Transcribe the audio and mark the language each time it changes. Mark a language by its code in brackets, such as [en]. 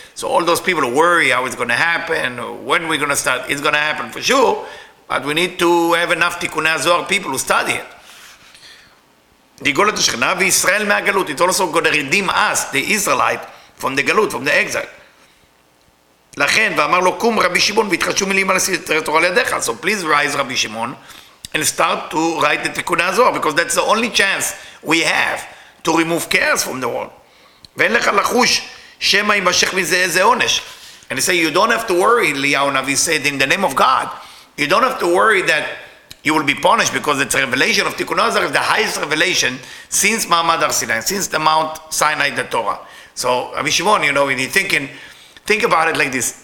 [en] So all those people worry how it's going to happen, when we're going to start. It's going to happen for sure, but we need to have enough Tikkuni Zohar people who study it. It's also going to redeem us, the Israelite, from the Galut, from the exile. [he] לכן, ואמר לו, קום רבי שמעון, והתחדשו מילים על הסתר תורה לידיך. [en] So please rise, רבי שמעון, and start to write the תיקוני הזוהר, because that's the only chance we have to remove chaos from the world. [he] ואין לך לחוש, שמה יימשך מזה איזה עונש. [en] And he say, you don't have to worry, Eliyahu Navi said, in the name of God, you don't have to worry that you will be punished, because it's a revelation of תיקוני הזוהר, the highest revelation since מעמד הר סיני, since the Mount Sinai, the Torah. So רבי שמעון, you know, when you're thinking, think about it like this.